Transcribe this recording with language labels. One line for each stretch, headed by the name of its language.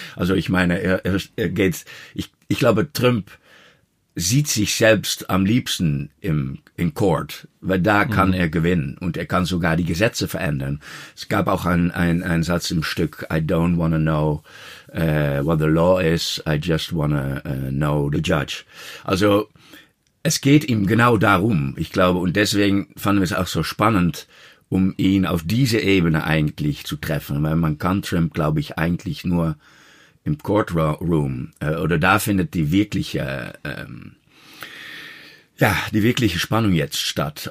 German: Also ich meine, er geht. Ich glaube, Trump sieht sich selbst am liebsten in Court, weil da kann er gewinnen und er kann sogar die Gesetze verändern. Es gab auch ein Satz im Stück:
English: I don't wanna know what the law is. I just wanna know the judge.
German: Also es geht ihm genau darum. Ich glaube, und deswegen fanden wir es auch so spannend, um ihn auf diese Ebene eigentlich zu treffen. Weil man kann Trump, glaube ich, eigentlich nur im Courtroom, oder da findet die wirkliche Spannung jetzt statt.